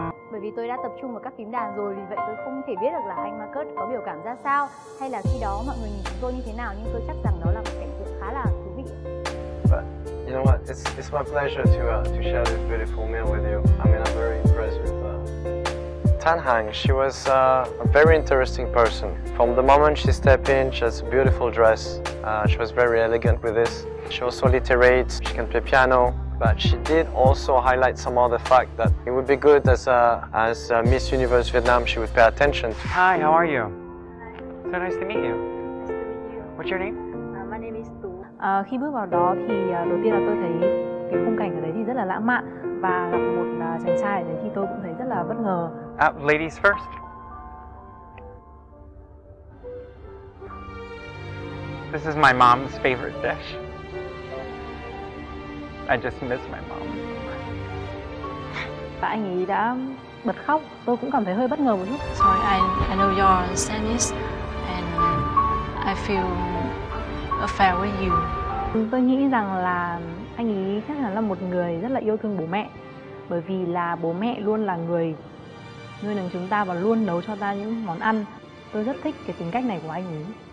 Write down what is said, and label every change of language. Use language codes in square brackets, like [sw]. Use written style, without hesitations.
[vi] Bởi vì tôi đã tập trung vào các phím đàn rồi, vì vậy tôi không thể biết được là anh Marcus có biểu cảm ra sao hay là khi đó mọi người nhìn chúng tôi như thế nào, nhưng tôi chắc rằng đó là một cảnh tượng khá là thú vị. [en] You know what? It's my pleasure to share this beautiful meal with you. I mean, I'm very impressed with Tan Hang. She was a very interesting person. From the moment she stepped in, she has a beautiful dress. She was very elegant with this. She also literate. She can play piano. But she did also highlight some other fact that it would be good as a Miss Universe Vietnam, she would pay attention. Hi, how are you? Hi. So nice to meet you. Nice to meet you. What's your name? [vi] Khi bước vào đó thì đầu tiên là tôi thấy cái khung cảnh ở đấy thì rất là lãng mạn, và gặp một chàng trai ở đấy thì tôi cũng thấy rất là bất ngờ. [en] Ladies first. This is my mom's favorite dish. I just miss my mom. [vi] Và anh ấy đã bật khóc, tôi cũng cảm thấy hơi bất ngờ một chút. [en] Sorry, I know you understand this and I feel affair with you. [vi] Tôi nghĩ rằng là anh ấy chắc chắn là một người rất là yêu thương bố mẹ. Bởi vì là bố mẹ luôn là người nuôi nấng chúng ta và luôn nấu cho ta những món ăn. Tôi rất thích cái tính cách này của anh ấy.